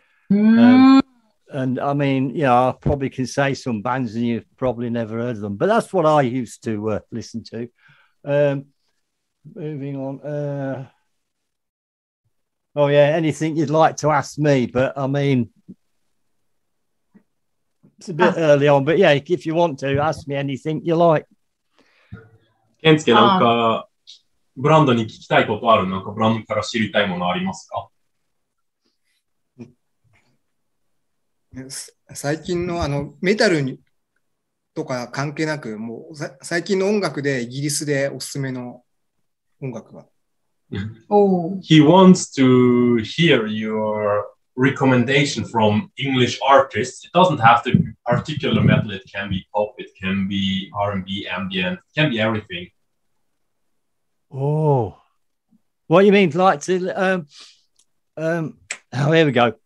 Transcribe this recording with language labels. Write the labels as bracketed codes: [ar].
[en] And I mean, I probably can say some bands and you've probably never heard of them, but that's what I used to listen to. Moving on. Oh, yeah, anything you'd like to ask me, but I mean, it's a bit early on, but yeah, if you want to, ask me anything you like. [ja] Kensuke, なんか、ブランドに聞きたいことある？なんかブランドから知りたいものありますか？最近のあのメタルにとか関係なく、もう最近の音楽でイギリスでおすすめの音楽は？ [en] Oh. He wants to hear your recommendation from English artists. It doesn't have to be particular metal. It can be pop, it can be R&B, ambient, it can be everything. Oh, what you mean? Like to, oh, here we go.